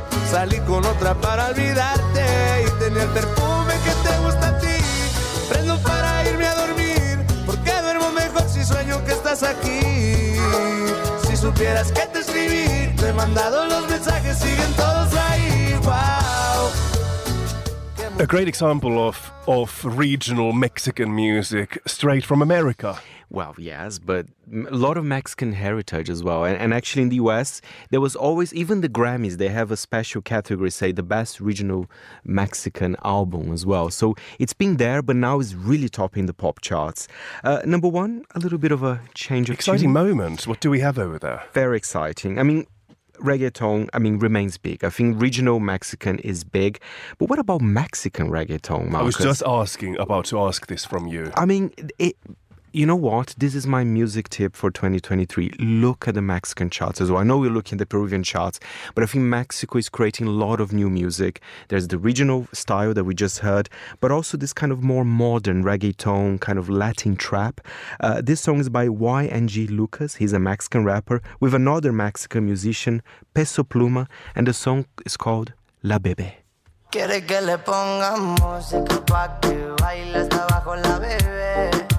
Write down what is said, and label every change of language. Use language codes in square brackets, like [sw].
[es] Salí con otra para olvidarte y tenía el perfume que te gusta a ti. Prendo para irme a dormir, porque duermo mejor si sueño que estás aquí. Si supieras que te escribí, te he mandado los mensajes, siguen todos ahí. [en] Wow. A great example of regional Mexican music straight from America. Well, yes, but a lot of Mexican heritage as well. And actually in the US, there was always, even the Grammys, they have a special category, say the best regional Mexican album as well. So it's been there, but now it's really topping the pop charts. Number one, a little bit of a change of exciting tune. Moment. What do we have over there? Very exciting. I mean, reggaeton, I mean, remains big. I think regional Mexican is big. But what about Mexican reggaeton, Marcus? I was just about to ask this from you. I mean, you know what? This is my music tip for 2023. Look at the Mexican charts as well. I know we're looking at the Peruvian charts, but I think Mexico is creating a lot of new music. There's the regional style that we just heard, but also this kind of more modern reggaeton, kind of Latin trap. This song is by YNG Lucas. He's a Mexican rapper with another Mexican musician, Peso Pluma, and the song is called La Bebe. [es] Quiere que le ponga música pa' que baile hasta abajo la bebé.